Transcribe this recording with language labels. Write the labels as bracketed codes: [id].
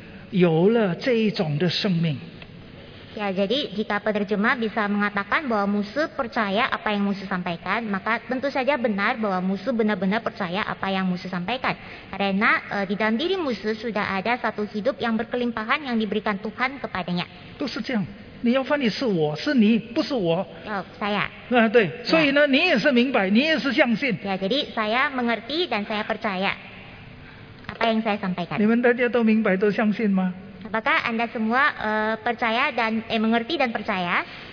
[zh] 那如果你知道我信的话呢？那证明呢？你比我更信，因为呢，我在讲，我明白吗？你说我明白，我信吗？你说我信，的确是这样，我明白，我也信，我知道耶稣基督的信生命，主耶稣给我的信生命是这样的一个丰盛的生命，我相信我现在已经有了这一种的生命。 [id] Ya, jadi jika penerjemah bisa mengatakan bahwa musuh percaya apa yang musuh sampaikan, maka tentu saja benar bahwa musuh benar-benar percaya apa yang musuh sampaikan. Karena di dalam diri musuh sudah ada satu hidup yang berkelimpahan yang diberikan Tuhan kepadanya. [zh] 都是这样，你要翻译是我是你，不是我。 [id] Oh, saya. [zh] 啊，对，所以呢，你也是明白，你也是相信。 [id] Ya, jadi saya mengerti dan saya percaya apa yang saya sampaikan. [zh] 你们大家都明白都相信吗？ [id] Apakah Anda semua percaya dan mengerti dan percaya?